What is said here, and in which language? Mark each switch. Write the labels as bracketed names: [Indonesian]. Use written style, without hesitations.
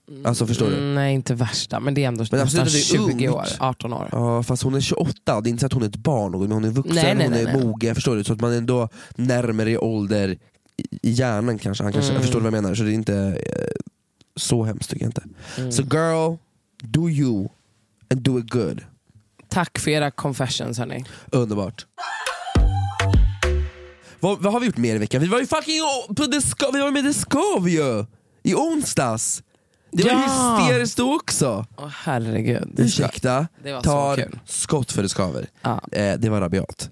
[Swedish] Alltså förstår du? Nej, inte värsta, men det är ändå men nästan absolut, det är 20 ungt. År, 18 år. Ja, fast hon är 28, det är inte så att hon är ett barn, men hon är vuxen, nej. Mogen, förstår du? Så att man ändå närmare i ålder i hjärnan kanske. Han kanske förstår vad jag menar, så det är inte så hemskt tycker jag inte. [English] Så girl, do you and do it good. [Swedish] Tack för era confessions hörni. Underbart. Vad har vi gjort mer i veckan? Vi var ju fucking på vi var med Discovery ju i onsdags. Det var hysteriskt också. Åh herregud. Ursäkta. Det var så kul. Skott för Discovery. Ja. Det var rabiat.